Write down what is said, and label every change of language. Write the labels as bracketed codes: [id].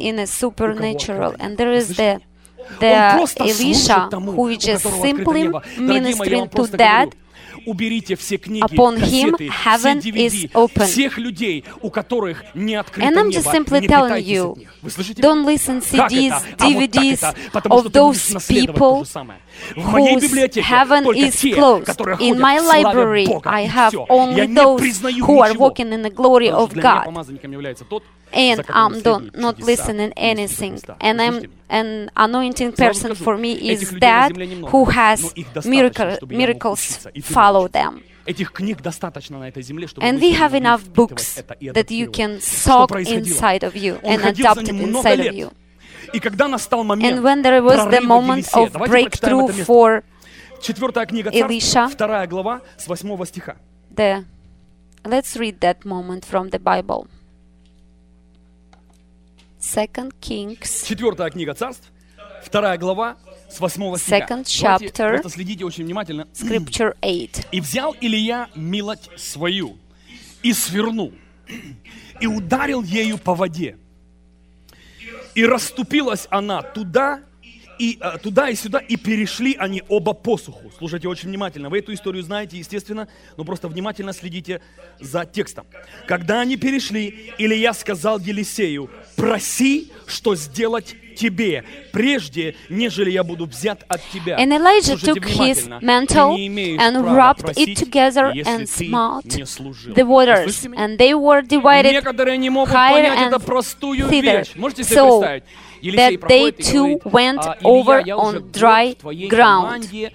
[en] In a supernatural, and there is the Elisha who is just simply ministering to that. [ru] Уберите все книги, [en] upon him, [ru] кассеты, [en] heaven [ru] все DVD, [en] is open. [ru] Всех людей, у которых не открыто [en] and I'm just [ru] небо, [en] simply telling you, don't listen to CDs, DVDs of those people whose heaven is closed. In my library, I have only those who are walking in the glory of God. And I'm not listening to anything. And I'm an anointing person for me is that who has miracles follow them. [ru] Этих книг достаточно на этой земле, чтобы [en] and we have enough books that you can soak inside of you and adopt it inside of you. [ru] И когда настал момент, [en] and when there was the moment of breakthrough for Elisha, [ru] вторая глава с 8 стиха. [en] Let's read that moment from the Bible. 2 Kings. [ru] Четвертая книга царств, вторая глава с 8 стиха. [en] Second chapter. [ru] Просто следите очень внимательно. [en] Scripture 8. [ru] И взял Илия милоть свою и свернул и ударил ею по воде и расступилась она туда И туда, и сюда, и перешли они оба посуху. Слушайте очень внимательно. Вы эту историю знаете, естественно, но просто внимательно следите за текстом. Когда они перешли, Илия сказал Елисею: «Проси, что сделать тебе, прежде, нежели я буду взят от тебя». [en] And Elijah took his mantle and wrapped it together and smote the waters, and they were divided higher and thither. So that they too went over on dry ground.